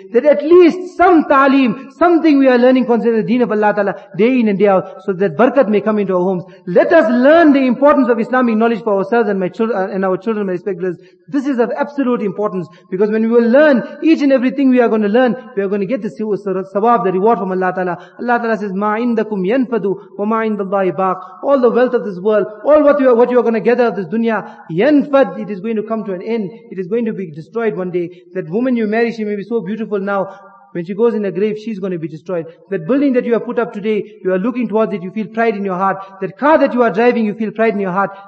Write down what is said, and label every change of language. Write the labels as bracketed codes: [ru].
[en] That at least some ta'lim, something we are learning concerning the deen of Allah Ta'ala day in and day out, so that barakat may come into our homes. Let us learn the importance of Islamic knowledge for ourselves and our children, my respect, brothers. This is of absolute importance, because when we will learn each and everything we are going to learn, we are going to get the sawab, the reward from Allah Ta'ala. [ar] Allah Ta'ala [en] says, [ar] مَا عِنْدَكُمْ يَنْفَدُ وَمَا عِنْدَ اللَّهِ بَاقٍ. [en] All the wealth of this world, all what you are going to gather of this dunya, yanfad, it is going to come to an end. It is going to be destroyed one day. That woman you marry, she may be so beautiful now. When she goes in the grave, she's going to be destroyed. That building that you have put up today, you are looking towards it, you feel pride in your heart. That car that you are driving, you feel pride in your heart.